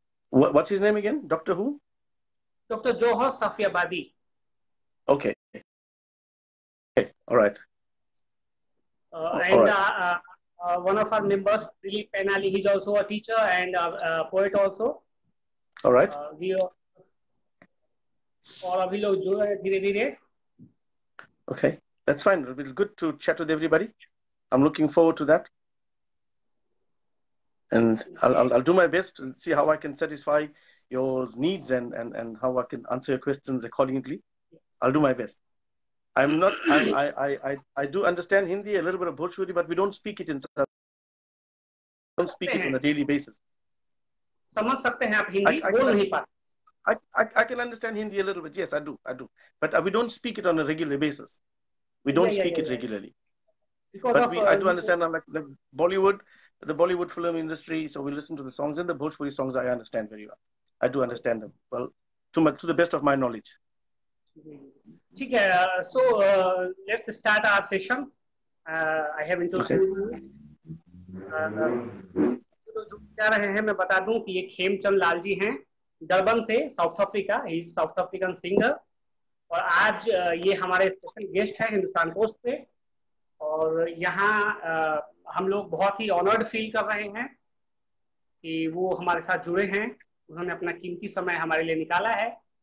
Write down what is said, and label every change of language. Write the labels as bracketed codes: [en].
[en] What's his name again? Dr. who? Dr. Johar Safavadi. Okay. Okay. All right. One of our members, Dilip Penali, he's also a teacher and a poet also. All right. [hi] और अभी लोग जो है धीरे धीरे [en] okay that's fine it will good to chat with everybody I am looking forward to that and I will do my best and see how I can satisfy your needs and how I can answer your questions accordingly I will do my best I am not I do understand Hindi a little bit of Bhojpuri but we don't speak it in don't speak it on a daily basis [hi] समझ सकते हैं आप हिंदी बोल नहीं पाते [en] I can understand Hindi a little bit. Yes, I do. But we don't speak it on a regular basis. We don't regularly. I do understand. I'm like the Bollywood film industry. So we listen to the songs and the Bhojpuri songs. I understand very well. I do understand them well, to the best of my knowledge. Okay. So let's start our session. I have introduced you. [hi] जा रहे हैं मैं बता दूं कि ये खेम चंद लाल जी हैं Durban से south Africa, [en] he is South African singer [hi] और आज ये हमारे स्पेशल गेस्ट हैं हिंदुस्तान पोस्ट पे और यहाँ हम लोग बहुत ही ऑनर्ड फील कर रहे हैं कि वो हमारे साथ जुड़े हैं, उन्होंने अपना कीमती समय हमारे लिए निकाला है.